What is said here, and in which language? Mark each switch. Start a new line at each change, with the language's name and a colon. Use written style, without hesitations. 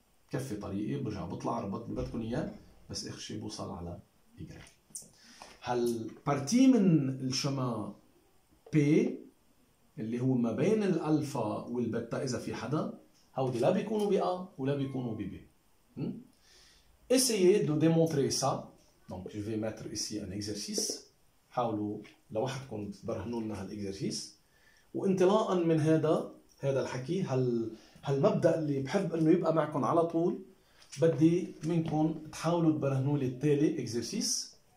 Arabic: كفي طريقي برجع بطلع ربط اللي بدكم اياه، بس اخر شيء بوصل على إيجري. هل بارتي من الشما بي اللي هو ما بين الالفا والبتا، اذا في حدا هودي لا بيكونوا ب ا ولا بيكونوا ب بي.
French: essayez de démontrer ça. Donc je vais mettre ici un exercice.
Arabic: حاولوا لوحدكم تبرهنوا لنا هالاكزرسيس. وانطلاقا من هذا الحكي، هالمبدا اللي بحب انه يبقى معكم على طول، بدي منكم تحاولوا تبرهنوا لي التالي اكزرسيس.